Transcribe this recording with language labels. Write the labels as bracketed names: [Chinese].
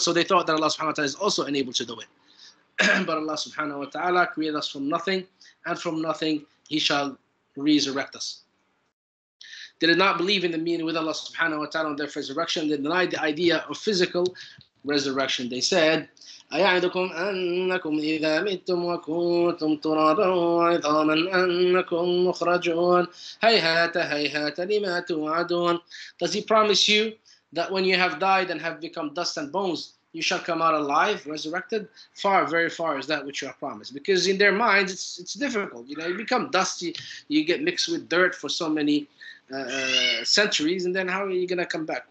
[English] So they thought that Allah subhanahu wa ta'ala is also unable to do it. But Allah subhanahu wa ta'ala created us from nothing, and from nothing he shall resurrect us. They did not believe in the meeting with Allah subhanahu wa ta'ala on their first resurrection. They denied the idea of physical resurrection. They said, [Arabic] أَيَعِدُكُمْ أَنَّكُمْ إِذَا مِتُّمْ وَكُنْتُمْ تُرَابًا وَعِظَامًا أَنَّكُمْ مُخْرَجُونَ هَيْهَاتَ هَيْهَاتَ لِمَا تُوَعَدُونَ. [English] Does he promise you that when you have died and have become dust and bones, you shall come out alive, resurrected? Far, very far is that which you have promised. Because in their minds, it's difficult. You know, you become dusty, you get mixed with dirt for so many centuries, and then how are you going to come back?